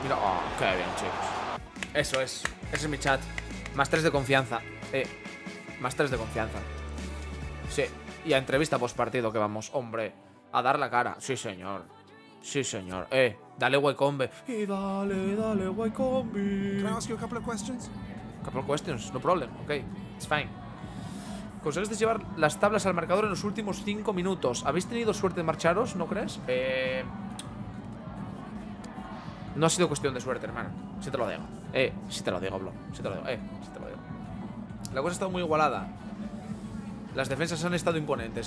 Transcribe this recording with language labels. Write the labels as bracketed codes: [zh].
[es] Mira, oh, qué bien, chicos. Eso es. Ese es mi chat. Más 3 de confianza. Más 3 de confianza. Sí. Y a entrevista post partido que vamos, hombre. A dar la cara. Sí, señor. Sí, señor. Dale, Wycombe. Y dale, dale, Wycombe. ¿Puedo hacer un par de preguntas? [en] Couple of questions, no problem, ok, it's fine. [es] Conseguiste llevar las tablas al marcador en los últimos 5 minutos. ¿Habéis tenido suerte de marcharos, no crees? No ha sido cuestión de suerte, hermano. Si te lo digo, si te lo digo, bro. Si te lo digo, si te lo digo. La cosa ha estado muy igualada. Las defensas han estado imponentes.